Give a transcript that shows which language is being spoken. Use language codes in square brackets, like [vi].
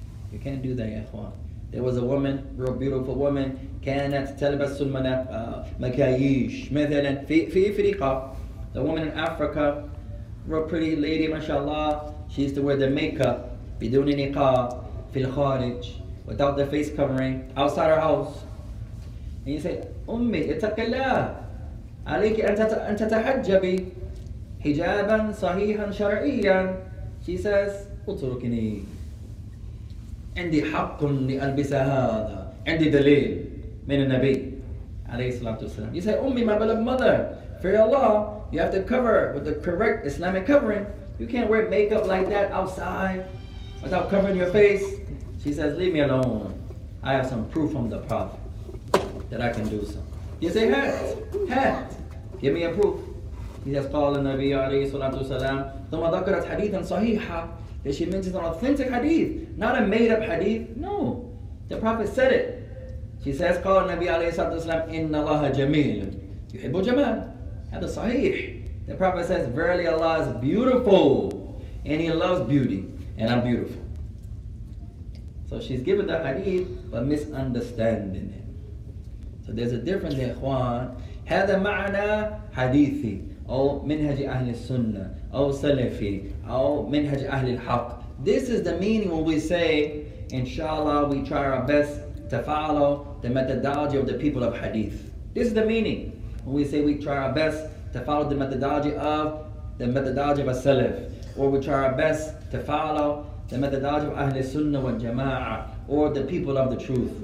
[en] You can't do that, Ikhwan. There was a woman, real beautiful woman, [ar] كانت تلبس المكياج مثلا في أفريقيا. [en] The woman in Africa, real pretty lady, mashallah, she used to wear the makeup [ar] بدون نقاب في الخارج, [en] without the face covering, outside her house. And you say, [ar] أمي اتق الله عليك أن تتحجبي حجابا صحيحا شرعيا. [en] She says, [ar] اتركني عندي حق لألبس هذا عندي دليل من النبي عليه الصلاة والسلام. [en] You say, أمي my beloved mother, fear Allah, you have to cover with the correct Islamic covering. You can't wear makeup like that outside without covering your face. She says, leave me alone. I have some proof from the Prophet that I can do so. You say, hat. Give me a proof. He says, [ar] قال النبي عليه الصلاة والسلام ثم ذكرت حديثا صحيحا. [en] That she mentions an authentic hadith, not a made up hadith. No. The Prophet said it. She says, [ar] قال النبي عليه الصلاة والسلام إن الله جميل يحب جمال. هذا صحيح. [en] The Prophet says, verily Allah is beautiful and he loves beauty and I'm beautiful. So she's given the hadith, but misunderstanding it. So there's a difference, Ikhwan. [ar] هذا معنى حديثي أو منهج أهل السنة أو سلفي أو منهج أهل الحق. [en] This is the meaning when we say, inshallah, we try our best to follow the methodology of the people of hadith. This is the meaning when we say we try our best to follow the methodology of a salaf, or we try our best to follow the methodology of Ahl Sunnah wa Jama'ah, or the people of the truth.